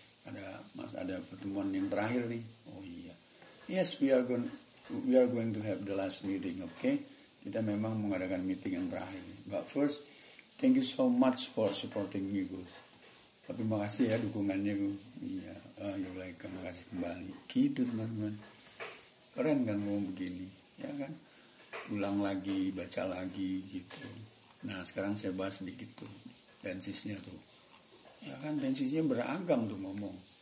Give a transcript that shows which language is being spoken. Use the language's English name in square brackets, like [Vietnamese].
[Indonesian] Ada pertemuan yang terakhir nih. Oh iya. [English] Yes, we are going to have the last meeting, okay? [Indonesian] Kita memang mengadakan meeting yang terakhir. [English] But first, thank you so much for supporting me, Gus. [Indonesian] Tapi makasih ya dukungannya, Gus. Iya. [English] You're like, [Indonesian] makasih kembali. Gitu, teman-teman. Keren kan ngomong begini, ya kan? Ulang lagi, baca lagi gitu. Nah, sekarang saya bahas sedikit tuh tensisnya tuh. Ya kan, tensisnya beragam tuh ngomong.